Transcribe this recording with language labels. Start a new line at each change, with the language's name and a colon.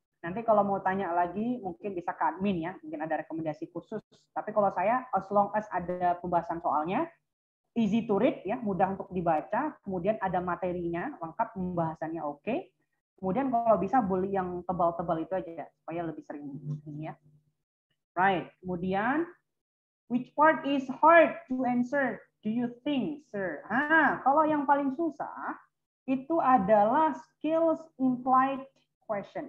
Indonesian: Nanti kalau mau tanya lagi mungkin bisa ke admin ya, mungkin ada rekomendasi khusus. Tapi kalau saya
English: as long as
Indonesian: ada pembahasan soalnya,
English: easy to read
Indonesian: ya, mudah untuk dibaca, kemudian ada materinya, lengkap pembahasannya oke. Kemudian kalau bisa beli yang tebal-tebal itu aja supaya lebih sering ini ya.
English: Right.
Indonesian: Kemudian
English: which part is hard to answer do you think, sir?
Indonesian: Kalau yang paling susah itu adalah skills implied question.